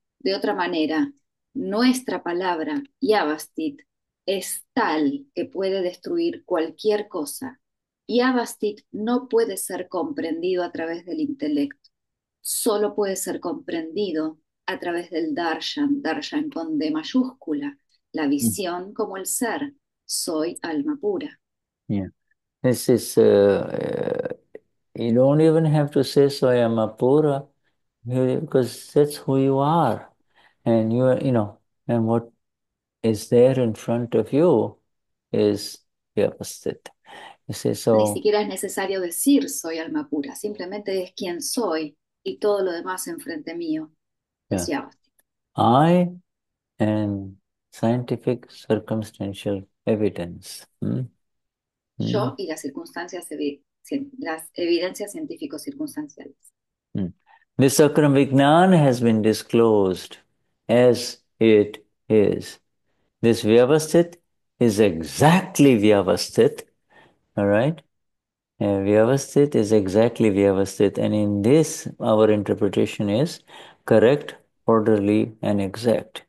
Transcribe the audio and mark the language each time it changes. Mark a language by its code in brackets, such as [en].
[es] De otra manera, nuestra palabra, Yavastit, es tal que puede destruir cualquier cosa. Yavastit no puede ser comprendido a través del intelecto. Solo puede ser comprendido a través del Darshan, Darshan con D mayúscula, la visión como el ser. Soy alma pura. [en] Yeah, this is you don't even have to say [es] Soyama Pura [en] because that's who you are, and you are, you know, and what is there in front of you is Vyavasthita. You see, [es] Ni [en] so [es] siquiera es necesario decir soy alma pura, simplemente es quien soy y todo lo demás enfrente mío es Yavastit. [en] I am scientific circumstantial evidence. [es] Yo y las circunstancias, las evidencias científico-circunstanciales. [en] This Akram Vignan has been disclosed as it is. This Vyavasthit is exactly Vyavasthit. All right? Vyavasthit is exactly Vyavasthit. And in this, our interpretation is correct, orderly, and exact.